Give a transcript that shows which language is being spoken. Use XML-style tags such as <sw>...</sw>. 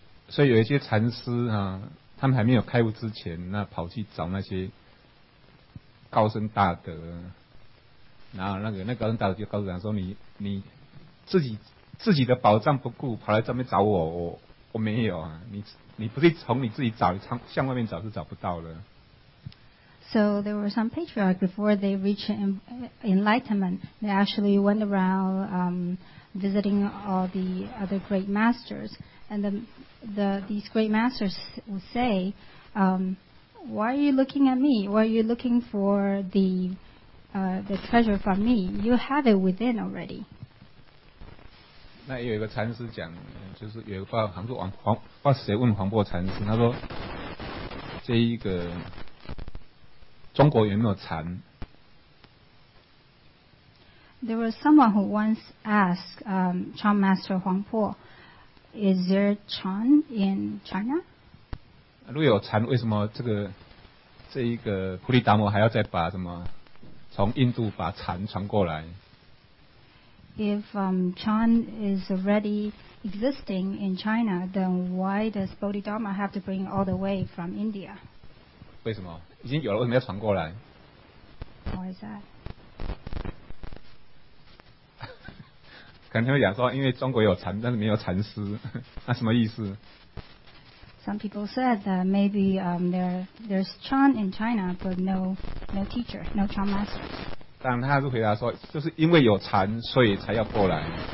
<zh>So 有一些禅师啊，他们还没有开悟之前，那跑去找那些高僧大德，然后那个高僧大德就告诉他说：“你自己的宝藏不顾，跑来这边找我，我没有啊，你不是从你自己找，向外面找是找不到的。”</zh> <en>So there were some patriarchs before they reached enlightenment. They actually went around visiting all the other great masters. And these great masters would say, why are you looking at me? Why are you looking for the treasure from me? You have it within already.</en> <zh>那有一个禅师讲，就是有一个话，好像是不知道谁问黄檗禅师，他说这一个中国有没有禅？</zh> <en>There was someone who once asked Chan Master Huang Po, "Is there Chan in China?"</en> <zh>如果有禅，为什么这一个菩提达摩还要再把什么从印度把禅传过来</zh> <en>？If Chan is already existing in China, then why does Bodhidharma have to bring all the way from India?</en> <zh>为什么已经有了？为什么要传过来</zh> <en>？Why is that？</en> <zh>可能他们讲说，因为中国有禅，但是没有禅师，那什么意思</zh> <en>？Some people said that maybe there's Chan in China, but no teacher, no Chan master.</en> <zh>当然，他是回答说，就是因为有禅，所以才要过来。</zh>